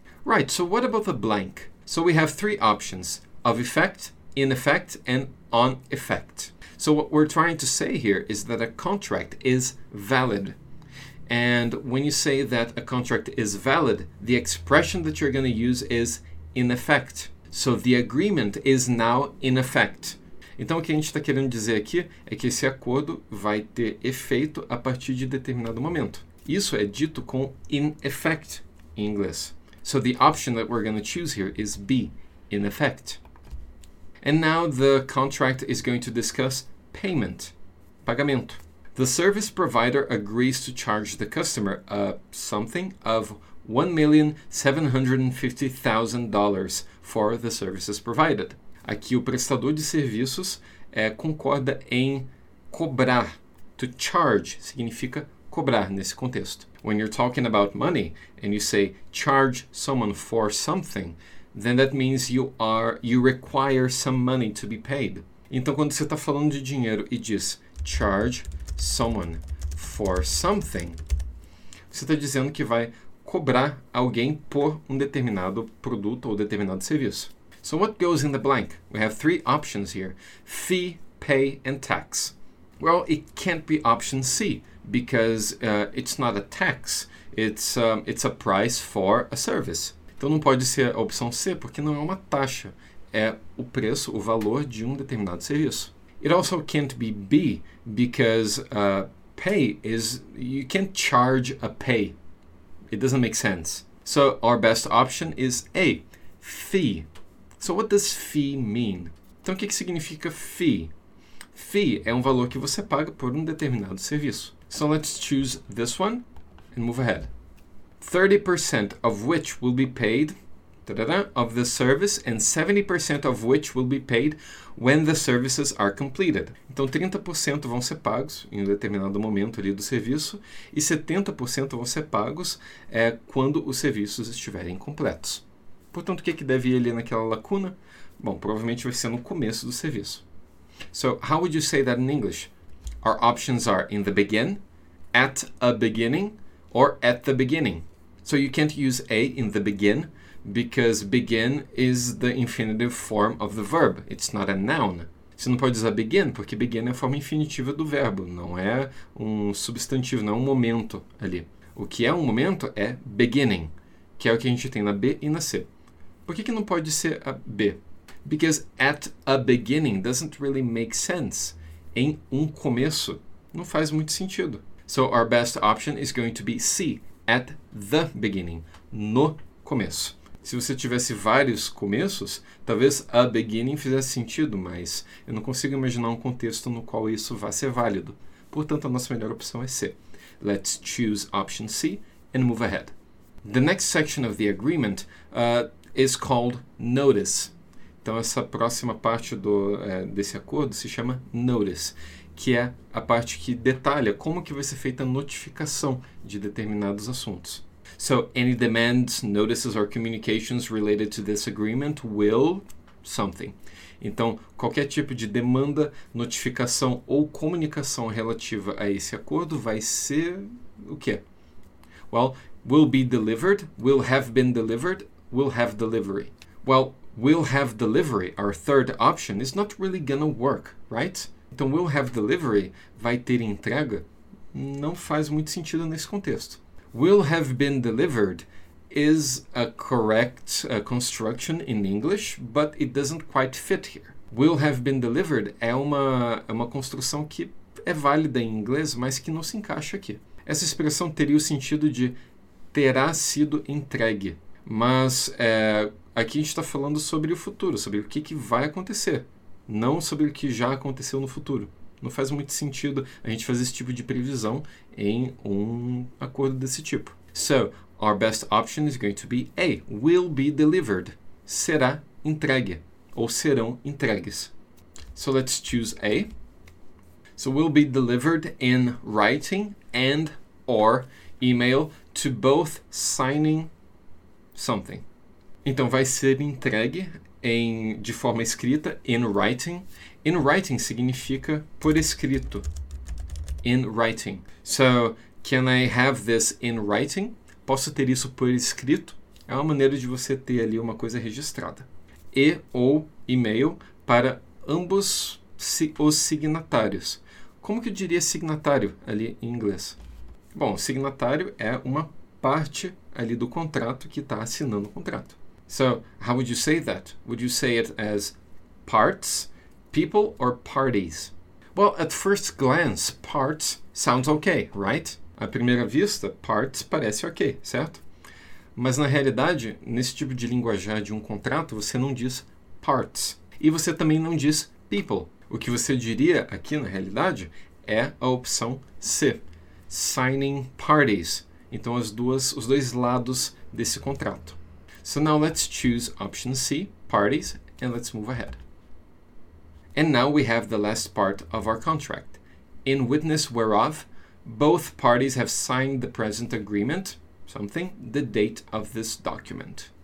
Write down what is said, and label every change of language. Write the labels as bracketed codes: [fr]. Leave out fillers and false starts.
[en] Right, so what about the blank? So we have three options: of effect, in effect, and on effect. So what we're trying to say here is that a contract is valid. And when you say that a contract is valid, the expression that you're going to use is in effect. So the agreement is now in effect. [pt] Então, o que a gente está querendo dizer aqui é que esse acordo vai ter efeito a partir de determinado momento. Isso é dito com in effect em inglês. [en] So the option that we're going to choose here is B, in effect. And now the contract is going to discuss payment, pagamento. The service provider agrees to charge the customer a something of $1,750,000 for the services provided. [pt] Aqui o prestador de serviços concorda em cobrar. To charge significa cobrar nesse contexto. [en] When you're talking about money and you say charge someone for something, then that means you require some money to be paid. [pt] Então, quando você está falando de dinheiro e diz [en] charge someone for something, [pt] você está dizendo que vai cobrar alguém por um determinado produto ou determinado serviço. [en] So what goes in the blank? We have three options here: fee, pay, and tax. Well, it can't be option C because it's not a tax. It's a price for a service. [pt] Então não pode ser a opção C porque não é uma taxa. É o preço, o valor de um determinado serviço. [en] It also can't be B because pay is, you can't charge a pay. It doesn't make sense. So our best option is A, fee. So what does fee mean? [pt] Então o que significa fee? Fee é um valor que você paga por um determinado serviço. [en] So let's choose this one and move ahead. 30% of which will be paid of the service, and 70% of which will be paid when the services are completed. [pt] Então, 30% vão ser pagos em um determinado momento ali do serviço e 70% vão ser pagos quando os serviços estiverem completos. Portanto, o que deve ir ali naquela lacuna? Bom, provavelmente vai ser no começo do serviço. [en] So, how would you say that in English? Our options are in the begin, at a beginning, or at the beginning. So, you can't use A in the begin, because begin is the infinitive form of the verb. It's not a noun. [pt] Você não pode usar begin, porque begin é a forma infinitiva do verbo. Não é um substantivo, não é um momento ali. O que é um momento é beginning, que é o que a gente tem na B e na C. Por que não pode ser a B? [en] Because at a beginning doesn't really make sense. [pt] Em um começo, não faz muito sentido. [en] So our best option is going to be C, at the beginning, [pt] no começo. Se você tivesse vários começos, talvez a beginning fizesse sentido, mas eu não consigo imaginar um contexto no qual isso vá ser válido. Portanto, a nossa melhor opção é C. [en] Let's choose option C and move ahead. The next section of the agreement is called notice. [pt] Então, essa próxima parte desse acordo se chama notice, que é a parte que detalha como que vai ser feita a notificação de determinados assuntos. [en] So, any demands, notices, or communications related to this agreement will something. [pt] Então, qualquer tipo de demanda, notificação ou comunicação relativa a esse acordo vai ser o quê? [en] Well, will be delivered, will have been delivered, will have delivery. Well, will have delivery, our third option, is not really gonna work, right? [pt] Então, [en] will have delivery [pt] vai ter entrega? não faz muito sentido nesse contexto. [en] Will have been delivered is a correct construction in English, but it doesn't quite fit here. Will have been delivered [pt] é uma construção que é válida em inglês, mas que não se encaixa aqui. Essa expressão teria o sentido de terá sido entregue, mas aqui a gente está falando sobre o futuro, sobre o que vai acontecer, não sobre o que já aconteceu no futuro. Não faz muito sentido a gente fazer esse tipo de previsão em um acordo desse tipo. [en] So, our best option is going to be A, will be delivered. [pt] Será entregue ou serão entregues. [en] So, let's choose A. So, will be delivered in writing and or email to both signing something. [pt] Então, vai ser entregue de forma escrita, in writing. In writing significa por escrito. In writing. [en] So, can I have this in writing? [pt] Posso ter isso por escrito? É uma maneira de você ter ali uma coisa registrada. E ou e-mail para ambos os signatários. Como que eu diria signatário ali em inglês? Bom, signatário é uma parte ali do contrato que está assinando o contrato. [en] So, how would you say that? Would you say it as parts, people, or parties? Well, at first glance, parts sounds okay, right? [pt] À primeira vista, parts parece ok, certo? Mas na realidade, nesse tipo de linguajar de um contrato, você não diz parts. E você também não diz people. O que você diria aqui na realidade é a opção C, signing parties. Então, os dois lados desse contrato. [en] So now let's choose option C, parties, and let's move ahead. And now we have the last part of our contract. In witness whereof, both parties have signed the present agreement, something, the date of this document.